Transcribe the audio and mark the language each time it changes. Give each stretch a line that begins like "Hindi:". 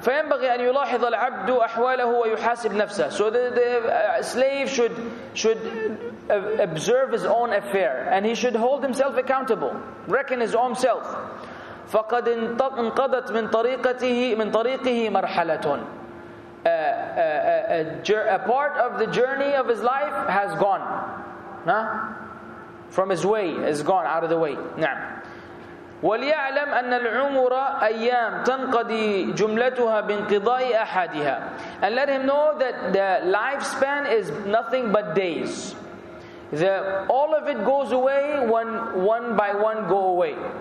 Arabic: فينبغي أن يلاحظ العبد أحواله ويحاسب نفسه.
English: So the slave should observe his own affair. And he should hold himself accountable. Reckon his own self.
Arabic: فقد انقضت من طريقه مرحلة.
English: A part of the journey of his life has gone. Huh? From his way, is gone out of the way.
Arabic: نعم. وليعلم أن العمر أيام تنقضي جملتها بانقضاء أحدها.
English: And let him know that the lifespan is nothing but days. All of it goes away when one by one go away.